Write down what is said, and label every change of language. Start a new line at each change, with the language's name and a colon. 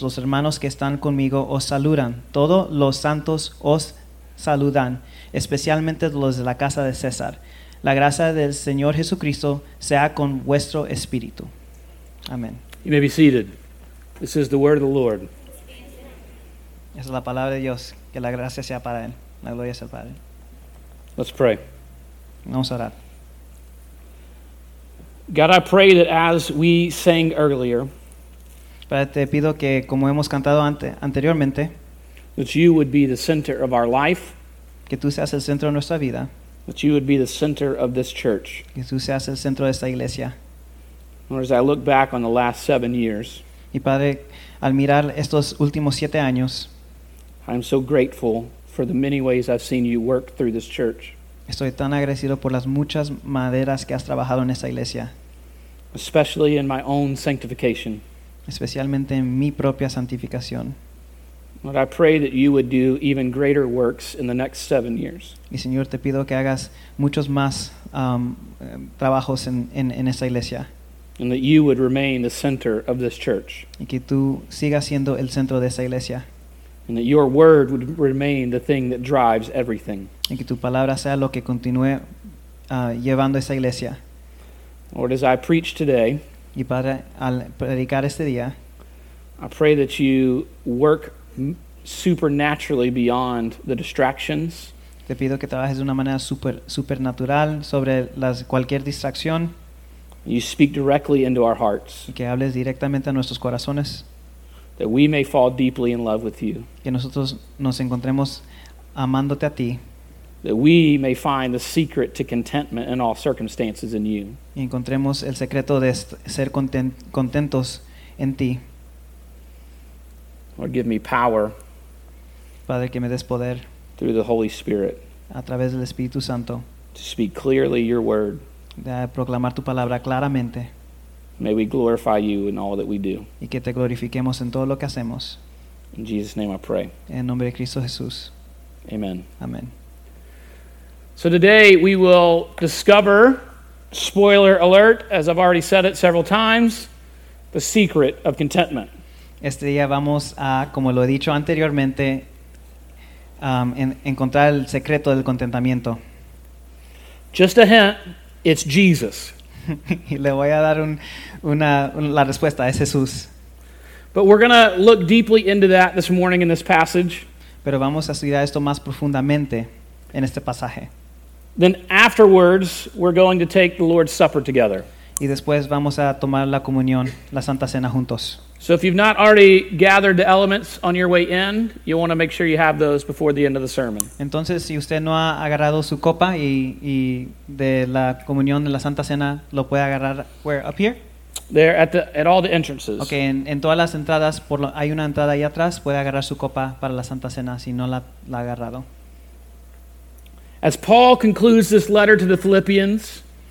Spanish: Los hermanos que están conmigo os saludan. Todos los santos os saludan, especialmente los de la casa de César. La gracia del Señor Jesucristo sea con vuestro espíritu.
English: Amen. You may be seated. This is the word of the Lord.
Spanish: Es la palabra de Dios, que la gracia sea para él, la gloria sea para él.
English: Let's pray.
Spanish: Vamos a orar.
English: God, I pray that as we sang earlier,
Spanish: Padre, te pido que como hemos cantado anteriormente,
English: that you would be the center of our life,
Spanish: que tú seas el centro de nuestra vida,
English: that you would be the center of this church,
Spanish: que tú seas el centro de esta iglesia.
English: Lord, as I look back on the last 7 years,
Spanish: y Padre, al mirar estos últimos 7 años,
English: I'm so grateful for the many ways I've seen you work through this church.
Spanish: Estoy tan agradecido por las muchas maneras que has trabajado en esta iglesia.
English: Especially in my own sanctification.
Spanish: Especialmente en mi propia santificación.
English: Lord, I pray that you would do even greater works in the next 7 years.
Spanish: Y Señor, te pido que hagas muchos más trabajos en esta iglesia.
English: And that you would remain the center of this church.
Spanish: Y que tú sigas siendo el centro de esta iglesia.
English: And that your word would remain the thing that drives everything.
Spanish: Y que tu palabra sea lo que continúe llevando esa iglesia.
English: Lord, as I preach today,
Spanish: y Padre, al predicar este día,
English: I pray that you work supernaturally beyond the distractions.
Spanish: Te pido que trabajes de una manera supernatural sobre cualquier distracción.
English: You speak directly into our hearts.
Spanish: Y que hables directamente a nuestros corazones.
English: That we may fall deeply in love with you.
Spanish: Que nosotros nos encontremos amándote a ti.
English: That we may find the secret to contentment in all circumstances in you.
Spanish: Y encontremos el secreto de ser contentos en ti.
English: Lord, give me power.
Spanish: Padre, que me des poder.
English: Through the Holy Spirit.
Spanish: A través del Espíritu Santo.
English: To speak clearly your word.
Spanish: De proclamar tu palabra claramente.
English: May we glorify you in all that we do.
Spanish: Y que te glorifiquemos en todo lo que hacemos.
English: In Jesus' name I pray.
Spanish: En nombre de Cristo Jesús.
English: Amen.
Spanish: Amen.
English: So today we will discover, spoiler alert, as I've already said it several times, the secret of contentment.
Spanish: Este día vamos a, como lo he dicho anteriormente, encontrar el secreto del contentamiento.
English: Just a hint, it's Jesus.
Spanish: Y le voy a dar la respuesta, es Jesús.
English: But we're going to look deeply into that this morning in this passage.
Spanish: Pero vamos a estudiar esto más profundamente en este pasaje.
English: Then afterwards, we're going to take the Lord's Supper together.
Spanish: Y después vamos a tomar la comunión, la Santa Cena juntos.
English: So if you've not already gathered the elements on your way in, you'll want to make sure you have those before the end of the sermon.
Spanish: Entonces, si usted no ha agarrado su copa y de la comunión de la Santa Cena, lo puede agarrar
English: where up here. There at all the entrances.
Spanish: Okay, en todas las entradas, hay una entrada ahí atrás. Puede agarrar su copa para la Santa Cena si no la ha agarrado.
English: As Paul concludes this letter to the Philippians.